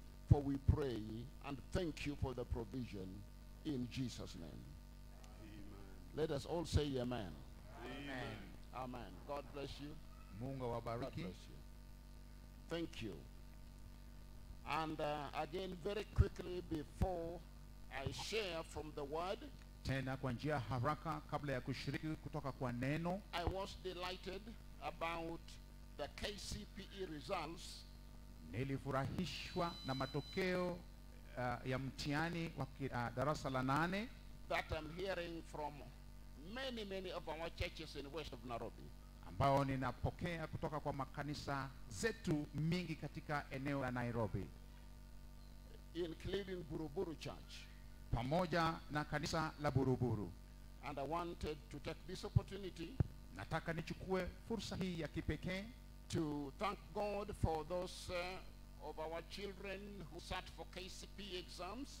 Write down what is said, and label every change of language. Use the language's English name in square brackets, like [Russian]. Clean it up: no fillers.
[English] For we pray and thank you for the provision in Jesus' name. Amen. Let us all say amen. Amen. Amen. Amen. God bless you. [Swahili] Mungu awabariki. [English] God bless you. Thank you. And again, very quickly before I share from the word, [Swahili] tena kwa njia haraka kabla ya kushiriki kutoka kwa neno, [English] I was delighted about the KCPE results. [Swahili] Nilifurahishwa na matokeo ya mtihani wa darasa la nane [English] that I'm hearing from many of our churches in west of Nairobi, [Swahili] ambao ninapokea kutoka kwa makanisa zetu mingi katika eneo la Nairobi, [English] including Buruburu Church, [Swahili] pamoja na kanisa la Buruburu. [English] And I wanted to take this opportunity, [Swahili] nataka nichukue fursa hii ya kipekee, [English] to thank God for those of our children who sat for KCPE exams.